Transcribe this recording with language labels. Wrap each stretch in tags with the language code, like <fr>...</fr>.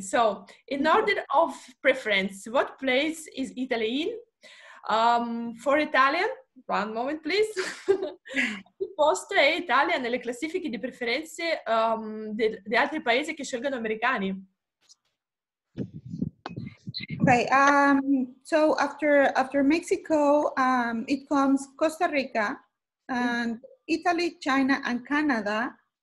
<en>So, in order of preference, what place is Italy in? For Italian, one moment please.</en> <it>Il posto è Italia nelle classifiche di preferenze di altri paesi che scelgono americani.</it> <en>Okay, so after Mexico, it comes Costa Rica, and Italy, China, and Canada.</en>